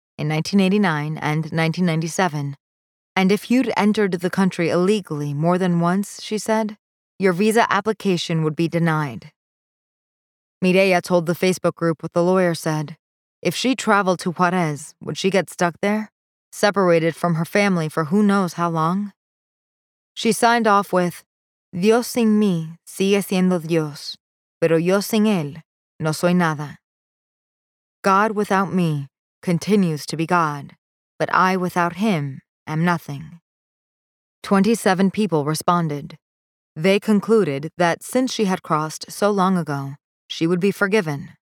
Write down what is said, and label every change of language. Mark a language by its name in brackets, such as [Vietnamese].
[English] in 1989 and 1997, and if you'd entered the country illegally more than once, she said, your visa application would be denied. Mireya told the Facebook group what the lawyer said. If she traveled to Juarez, would she get stuck there, separated from her family for who knows how long? She signed off with, [Spanish] Dios sin mí sigue siendo Dios, pero yo sin él no soy nada. [English] God without me continues to be God, but I without him am nothing. 27 people responded. They concluded that since she had crossed so long ago, she would be forgiven.